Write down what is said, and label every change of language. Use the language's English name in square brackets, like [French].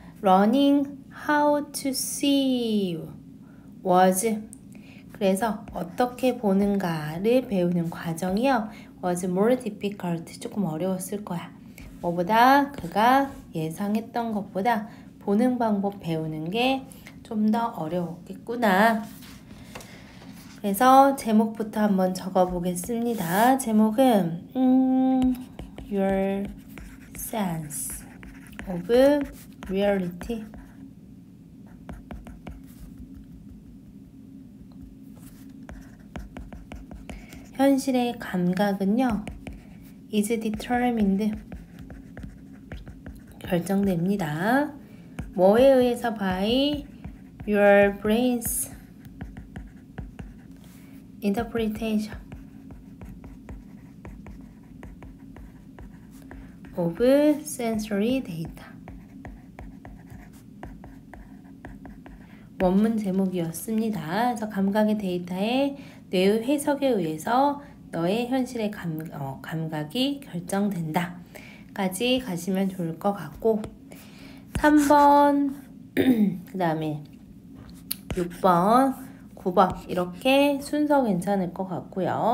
[English] Learning how to see was [Korean] 그래서 어떻게 보는가를 배우는 과정이요. [English] was more difficult [Korean] 조금 어려웠을 거야. 뭐보다 그가 예상했던 것보다 보는 방법 배우는 게 좀 더 어려웠겠구나. 그래서 제목부터 한번 적어보겠습니다. 제목은 [English] Your Sense of Reality [Korean] 현실의 감각은요 [English] is determined [Korean] 결정됩니다. 뭐에 의해서 [English] by your brain's interpretation of sensory data [Korean] 원문 제목이었습니다. 그래서 감각의 데이터에 뇌의 해석에 의해서 너의 현실의 감각이 결정된다 까지 가시면 좋을 것 같고 3번 그 다음에 6번 9번 이렇게 순서 괜찮을 것 같고요.